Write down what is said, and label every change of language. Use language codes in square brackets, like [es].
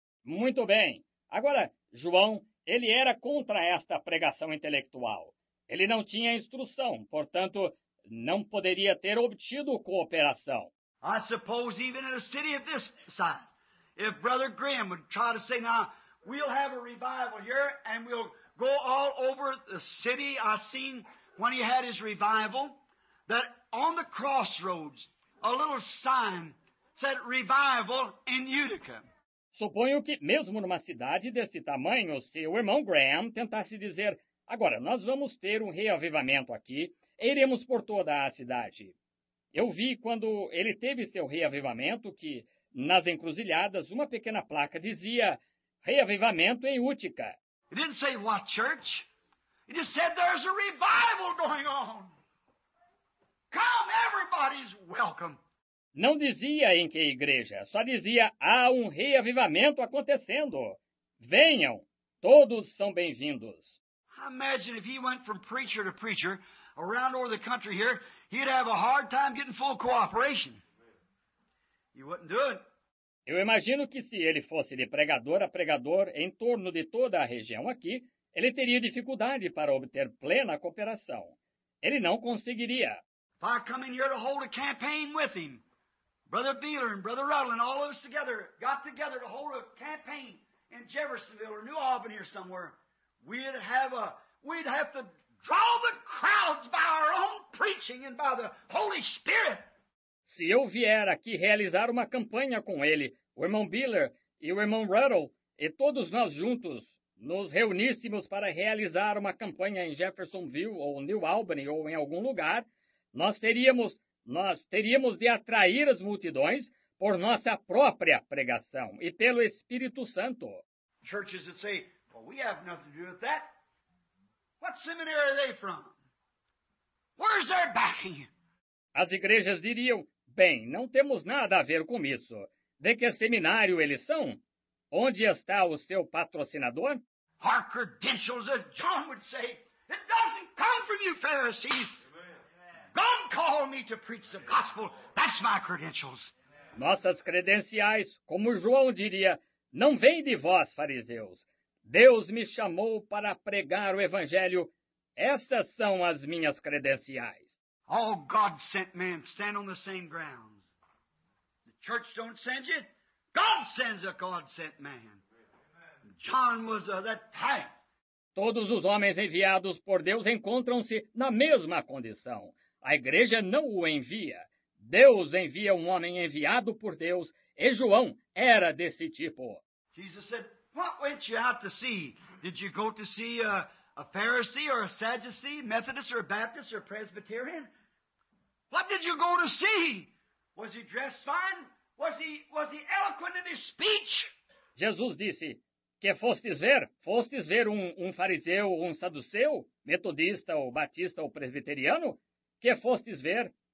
[pt] Muito bem. Agora, João, ele era contra esta pregação intelectual. Ele não tinha instrução, portanto, não poderia ter obtido cooperação. [en] I suppose even in a city of this size, if Brother Graham would try to say, now, we'll have a revival here and we'll go all over the city. I seen when he had his revival that on the crossroads, a little sign said, revival in Utica. [pt] Suponho que mesmo numa cidade desse tamanho, se o irmão Graham tentasse dizer, agora, nós vamos ter um reavivamento aqui e iremos por toda a cidade. Eu vi quando ele teve seu reavivamento que, nas encruzilhadas, uma pequena placa dizia reavivamento em Utica. [en] It didn't say what church. It just said there's a revival going on. Come, everybody's welcome. [pt] Não dizia em que igreja, só dizia há um reavivamento acontecendo. Venham, todos são bem-vindos. [en] Imagine if he went from preacher to preacher around over the country here. He'd have a hard time getting full cooperation. He wouldn't do it. [pt] Eu imagino que se ele fosse de pregador a pregador em torno de toda a região aqui, ele teria dificuldade para obter plena cooperação. Ele não conseguiria. [en] If I come in here to hold a campaign with him, Brother Beeler and Brother Ruddle and all of us together got together to hold a campaign in Jeffersonville or New Albany or somewhere, We'd have to draw the crowds by our own preaching and by the Holy Spirit. [pt] Se eu vier aqui realizar uma campanha com ele, o irmão Biller e o irmão Ruddle, e todos nós juntos nos reuníssemos para realizar uma campanha em Jeffersonville ou New Albany ou em algum lugar, nós teríamos de atrair as multidões por nossa própria pregação e pelo Espírito Santo. [en] Churches would say, well, we have nothing to do with that. What seminary are they from? Where's their backing? [pt] As igrejas diriam, bem, não temos nada a ver com isso. De que seminário eles são? Onde está o seu patrocinador? [en] Our credentials, as John would say, it doesn't come from you Pharisees. God called me to preach the gospel. That's my credentials. [pt] Nossas credenciais, como João diria, não vêm de vós, fariseus. Deus me chamou para pregar o evangelho. Essas são as minhas credenciais. [en] All God sent men stand on the same ground. The church don't send you. God sends a God sent man. John was of that type. [pt] Todos os homens enviados por Deus encontram-se na mesma condição. A igreja não o envia. Deus envia um homem enviado por Deus, e João era desse tipo. [en] Jesus said, what went you out to see? Did you go to see a Pharisee or a Sadducee, Methodist or a Baptist or a Presbyterian? What did you go to see? Was he dressed fine? Was he eloquent in his speech? [pt] Jesus disse, que fostes ver? Fostes ver um fariseu, um saduceu, metodista, ou batista, ou presbiteriano? Que fostes ver?